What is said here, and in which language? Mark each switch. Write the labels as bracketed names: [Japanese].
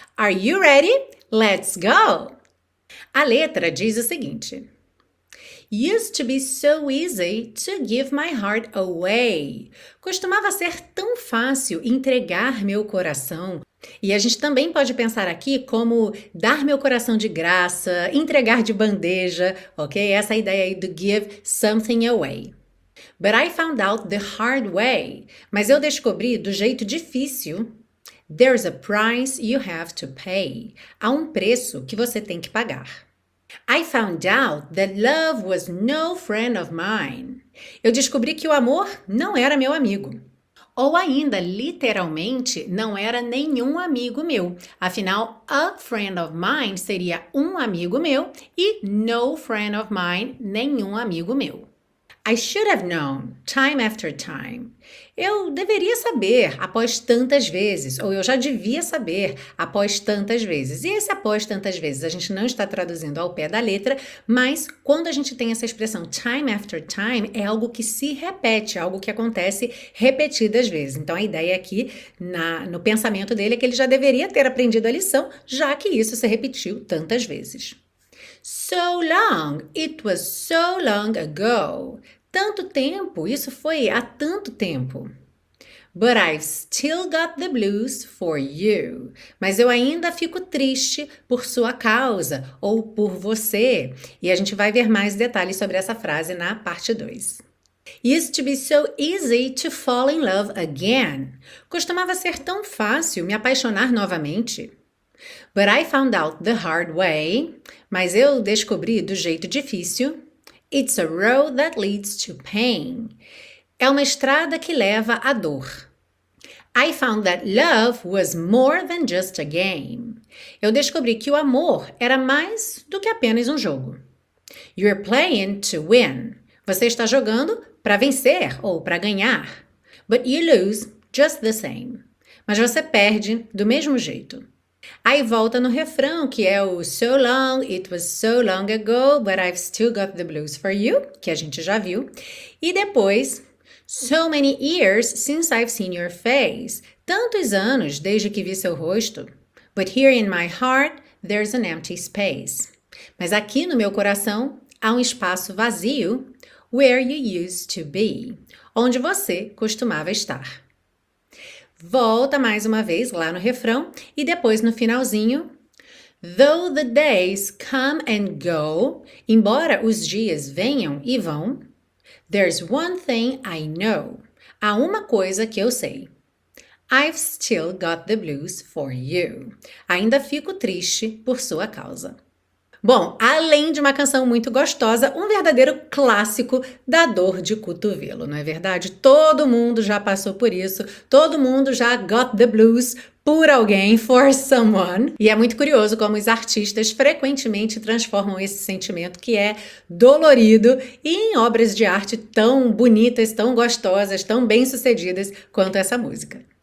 [English] Are you ready? Let's go! [Portuguese] A letra diz o seguinte: [English] Used to be so easy to give my heart away. [Portuguese] Costumava ser tão fácil entregar meu coração. E a gente também pode pensar aqui como dar meu coração de graça, entregar de bandeja, ok? Essa ideia aí do [English] give something away. But I found out the hard way. [Portuguese] Mas eu descobri do jeito difícil. [English] There's a price you have to pay. [Portuguese] Há um preço que você tem que pagar. [English] I found out that love was no friend of mine. [Portuguese] Eu descobri que o amor não era meu amigo. Ou ainda, literalmente, não era nenhum amigo meu. Afinal, [English] a friend of mine [Portuguese] seria um amigo meu e [English] no friend of mine, [Portuguese] nenhum amigo meu. [English] I should have known, time after time. [Portuguese] Eu deveria saber após tantas vezes, ou eu já devia saber após tantas vezes. E esse após tantas vezes a gente não está traduzindo ao pé da letra, mas quando a gente tem essa expressão time after time, é algo que se repete, algo que acontece repetidas vezes. Então a ideia aqui no pensamento dele é que ele já deveria ter aprendido a lição, já que isso se repetiu tantas vezes. [English] So long, it was so long ago. [Portuguese] Tanto tempo, isso foi há tanto tempo. [English] But I've still got the blues for you. [Portuguese] Mas eu ainda fico triste por sua causa ou por você. E a gente vai ver mais detalhes sobre essa frase na parte 2. [English] Used to be so easy to fall in love again. [Portuguese] Costumava ser tão fácil me apaixonar novamente. [English] But I found out the hard way. [Portuguese] Mas eu descobri do jeito difícil. [English] It's a road that leads to pain. [Portuguese] É uma estrada que leva à dor. [English] I found that love was more than just a game. [Portuguese] Eu descobri que o amor era mais do que apenas um jogo. [English] You're playing to win. [Portuguese] Você está jogando para vencer ou para ganhar. [English] But you lose just the same. [Portuguese] Mas você perde do mesmo jeito. Aí volta no refrão, que é o [English] So long, it was so long ago, but I've still got the blues for you, [Portuguese] que a gente já viu. E depois, [English] So many years since I've seen your face. [Portuguese] Tantos anos desde que vi seu rosto. [English] But here in my heart, there's an empty space. [Portuguese] Mas aqui no meu coração, há um espaço vazio, [English] where you used to be, [Portuguese] onde você costumava estar. Volta mais uma vez lá no refrão e depois no finalzinho. [English] Though the days come and go, [Portuguese] embora os dias venham e vão, [English] there's one thing I know. [Portuguese] Há uma coisa que eu sei. [English] I've still got the blues for you. [Portuguese] Ainda fico triste por sua causa. Bom, além de uma canção muito gostosa, um verdadeiro clássico da dor de cotovelo, não é verdade? Todo mundo já passou por isso, todo mundo já [English] got the blues [Portuguese] por alguém, [English] for someone. [Portuguese] E é muito curioso como os artistas frequentemente transformam esse sentimento que é dolorido em obras de arte tão bonitas, tão gostosas, tão bem-sucedidas quanto essa música.